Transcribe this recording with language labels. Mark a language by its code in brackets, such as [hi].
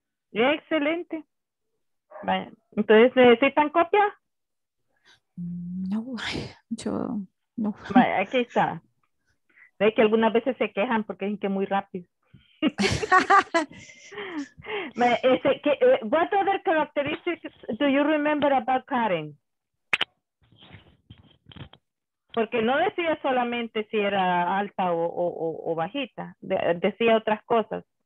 [es] Excelente. Entonces, ¿necesitan copia? No, yo no. Vaya, aquí está. Ve que algunas veces se quejan porque dicen que muy rápido. [en] What other characteristics do you remember about Karen? [es] Porque no decía solamente si era alta o bajita, decía otras cosas.